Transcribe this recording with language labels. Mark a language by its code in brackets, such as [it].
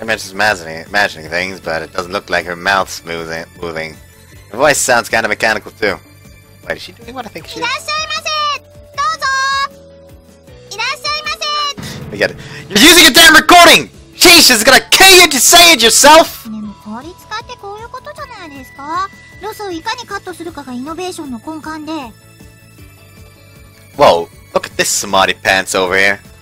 [en] Image is imagining things, but it doesn't look like her mouth's moving. Her voice sounds kind of mechanical too. Wait, is she doing what I think she is? [ja] いらっしゃいませ!どうぞ!いらっしゃいませ! [en] We get it. You're using a damn recording! Sheesh, it's gonna kill you to say it yourself! [ja] でも効率化ってこういうことじゃないですか?ロスをいかにカットするかがイノベーションの根幹で。 [en] Whoa, look at this smarty pants over here.